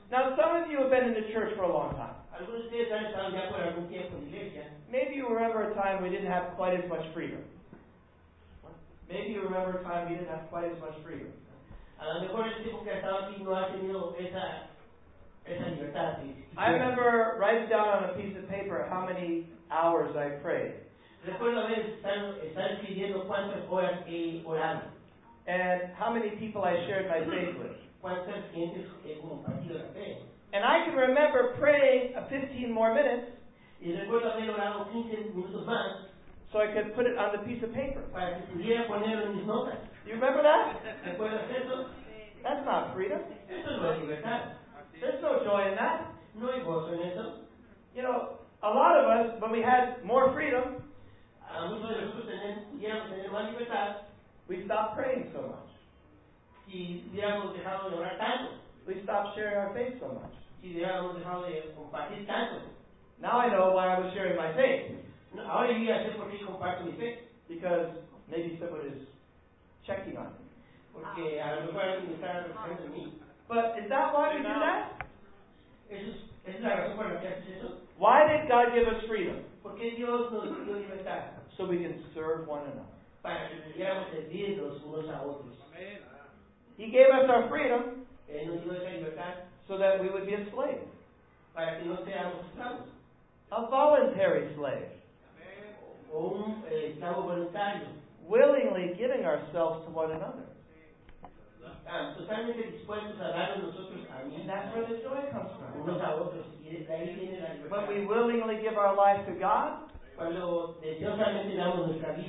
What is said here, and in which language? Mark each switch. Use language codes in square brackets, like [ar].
[en] Now some of you have been in the church for a long time. [es] Algunos de ustedes han estado ya por algún tiempo en iglesia. [en] Maybe you remember a time we didn't have quite as much freedom. Maybe you remember a time we didn't have quite as much freedom. [es] A lo mejor el tiempo que ha estado aquí no ha tenido esa libertad. [en] I remember writing down on a piece of paper how many hours I prayed. [es] Recuerdo haber estado escribiendo cuántas horas he orado. [en] And how many people I shared my faith with. [es] Cuántas gentes he compartido la fe. [en] And I can remember praying 15 more minutes. [es] Y recuerdo haber orado 15 minutos más. [en] So I could put it on the piece of paper. [es] Para que pudiera ponerlo en mis notas. [en] You remember that? [es] ¿Recuerdas eso? [en] That's not freedom. [es] Eso no es libertad. [en] There's no joy in that. [es] No hay gozo en eso. [en] You know, a lot of us, when we had more freedom, [es] a muchos de nosotros pudiéramos tener más libertad, [en] we stopped praying so much. [es] Y hubiéramos dejado de orar tanto. [en] We stopped sharing our faith so much. [es] Y dejamos de compartir tanto. [en] Now I know why I was sharing my faith. [es] No, ahora yo ya sé por qué comparto mi fe. [en] Because maybe someone is checking on me. [es] Porque a lo mejor alguien me está revisando a mí. [en] But is that why we do that? [es] Es la razón por la que haces eso. [en] Why did God give us freedom? [es] Porque Dios nos dio libertad. [en] So we can serve one another. [es] Para que pudiéramos servirnos unos a otros. [en] He gave us our freedom. [es] Él nos dio esa libertad. [en] So that we would be a slave. [es] Para que no seamos esclavos. [en] A voluntary slave. [es] O un esclavo voluntario. [en] Willingly giving ourselves to one another. [es] Totalmente dispuestos a dar a nosotros a mí. [en] That's where the joy comes from. [es] Unos a otros. Y de ahí viene la libertad. [en] When we willingly give our life to God. [es] Cuando deseosamente damos nuestra vida.